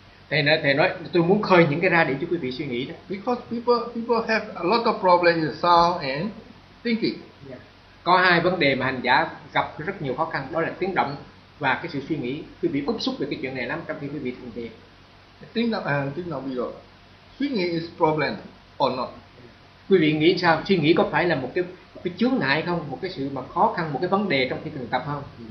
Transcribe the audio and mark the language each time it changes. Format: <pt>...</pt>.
<vi>Thầy nói tôi muốn khơi những cái ra để cho quý vị suy nghĩ đó.</vi> <en>Because people have a lot of problems in sound and thinking. Yeah.</en> <vi>Có hai vấn đề mà hành giả gặp rất nhiều khó khăn, đó là tiếng động và cái sự suy nghĩ. Quý vị bức xúc về cái chuyện này lắm trong khi quý vị thành thiền. Tiếng động bây giờ. Suy nghĩ</vi> <en>is problem or not?</en> <vi>Quý vị nghĩ sao? Suy nghĩ có phải là một cái chướng ngại không? Một cái sự mà khó khăn, một cái vấn đề trong khi thực tập không?</vi>